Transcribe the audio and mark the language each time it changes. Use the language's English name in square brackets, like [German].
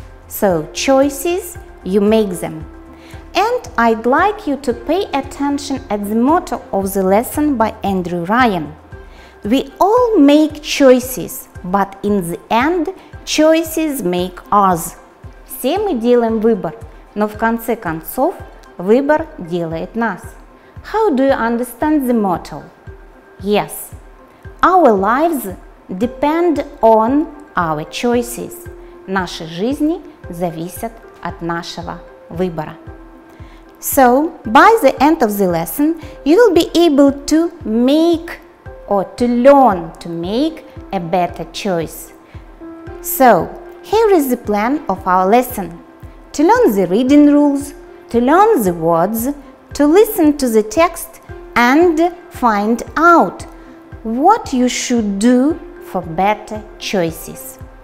[English] So choices, you make them. And I'd like you to pay attention at the motto of the lesson by Andrew Ryan. We all make choices, but in the end, choices make us. [Russian] Все мы делаем выбор, но в конце концов, выбор делает нас. [English] How do you understand the motto? Yes, our lives depend on our choices. [Russian] Наши жизни зависят от нашего выбора. [English] So, by the end of the lesson, you will be able to make or to learn to make a better choice. So, here is the plan of our lesson. To learn the reading rules, to learn the words, to listen to the text and find out what you should do for better choices.